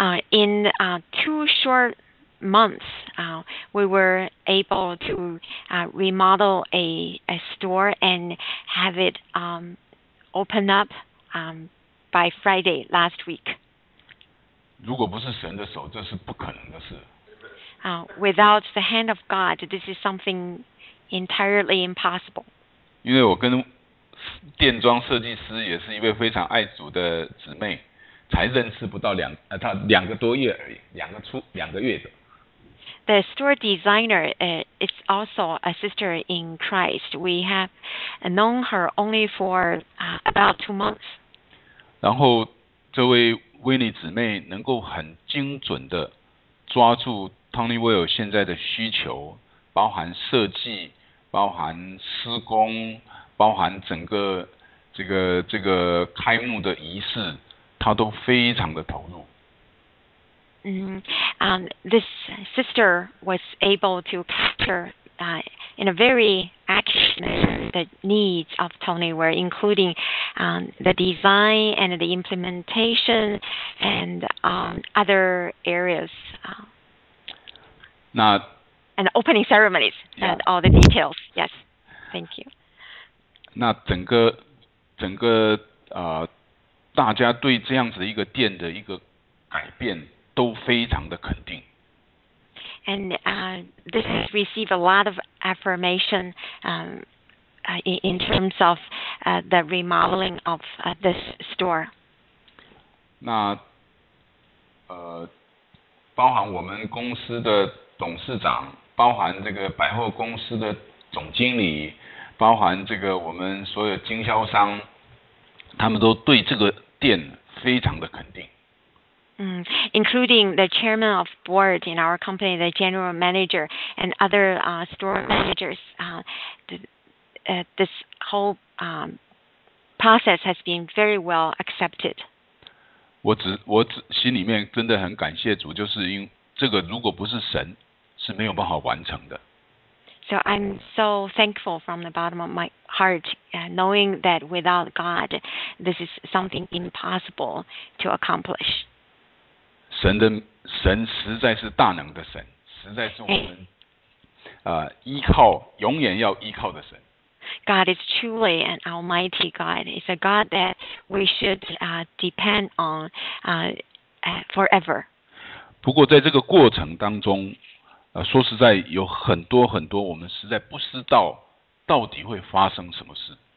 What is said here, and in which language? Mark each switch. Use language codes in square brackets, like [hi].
[en] In two short months, we were able to remodel a store and have it open up by Friday last week. [zh] 如果不是神的手，这是不可能的事。 [en] Without the hand of God, this is something entirely impossible. [zh] 因为我跟店装设计师也是一位非常爱主的姊妹，才认识不到她两个多月而已，两个月的。 [en] The store designer is also a sister in Christ. We have known her only for about 2 months. [zh] 然后这位威尼姊妹能够很精准的抓住 Tony Will 现在的需求，包含设计，包含施工，包含整个这个开幕的仪式，她都非常的投入。 [en] This sister was able to capture in a very accurate manner the needs of Tony Ware, including the design and the implementation and other areas. And the opening ceremonies and all the details. Yes, thank you. [zh] 那整个大家对这样子一个店的一个改变都非常的肯定。 [en] And this has received a lot of affirmation in terms of the remodeling of this store. [zh] 那包含我们公司的董事长，包含这个百货公司的总经理，包含这个我们所有经销商，他们都对这个店非常的肯定。 [en] Including the chairman of board in our company, the general manager, and other store managers, this whole process has been very well accepted. [zh] 我心里面真的很感谢主，就是因这个如果不是神，是没有办法完成的。 [en] So I'm so thankful from the bottom of my heart, knowing that without God, this is something impossible to accomplish. [zh] 神实在是大能的神，实在是我们依靠，永远要依靠的神。 [en] God is truly an almighty God. It's a God that we should depend on forever. [zh] 不过在这个过程当中，说实在有很多很多我们实在不知道到底会发生什么事。